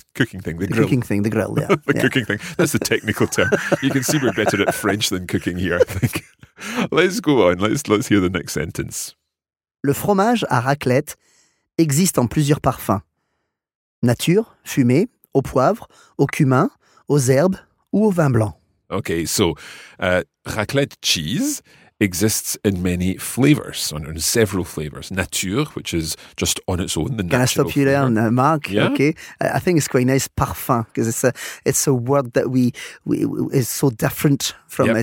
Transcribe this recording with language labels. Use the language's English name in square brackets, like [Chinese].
[English] the cooking thing, the grill, cooking thing. That's the technical term. You can see we're better at French than cooking here, I think. Let's go on. Let's hear the next sentence. [French] Le fromage à raclette existe en plusieurs parfums. Nature, fumée, au poivre, au cumin, aux herbes ou au vin blanc. [English] Okay, so raclette cheese exists in many flavors, in several flavors. Nature, which is just on its own, the natural. Can I stop you there, Mark? Yeah. Okay. I think it's quite nice, parfum, because it's a word that we is so different from. Yep.